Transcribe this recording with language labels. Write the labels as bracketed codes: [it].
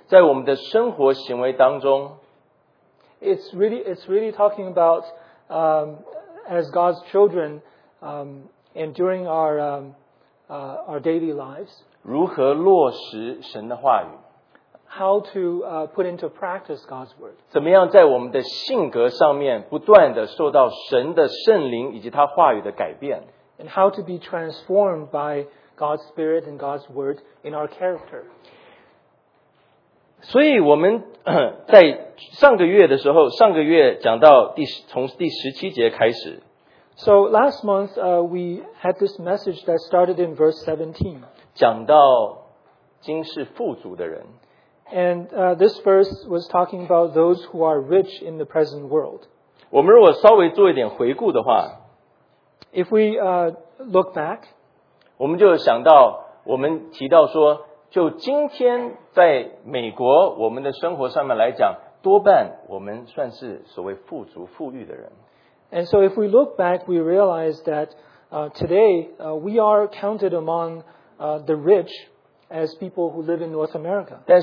[zh] 而是讲到我们作为神的儿女在我们的生活行为当中。 [en] It's really talking about as God's children and during our daily lives. [zh] 如何落实神的话语。 [en] How to put into practice God's word. [zh] 怎么样在我们的性格上面不断地受到神的圣灵以及他话语的改变。 [en] And how to be transformed by God's spirit and God's word in our character. [zh] 所以我们在上个月的时候, 上个月讲到从第十七节开始。 [en] So last month we had this message that started in verse 17. [zh] 讲到今世富足的人。 [en] And this verse was talking about those who are rich in the present world. [zh] 我们如果稍微做一点回顾的话, [en] if we look back, [zh] 我们就想到我们提到说, 就今天在美国我们的生活上面来讲, 多半我们算是所谓富足富裕的人。 [en] And so if we look back, we realize that today we are counted among the rich as people who live in North America.